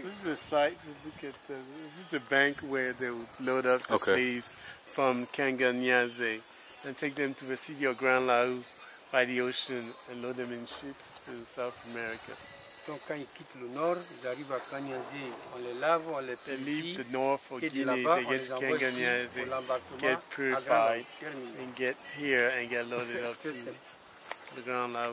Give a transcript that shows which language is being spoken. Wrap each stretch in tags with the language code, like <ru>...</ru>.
<en>This is the bank where they would load up the slaves from Kanganyaze and take them to the city of Grand Lao by the ocean and load them in ships to South America.</en> <fr>Donc quand ils quittent le nord, ils arrivent à Kanyanzi, on les lave, on les purifie.</fr> <en>The north for Guinée, they on get to Kanyanzi, get purified, and get here and get loaded up to the Grand Lao.</en>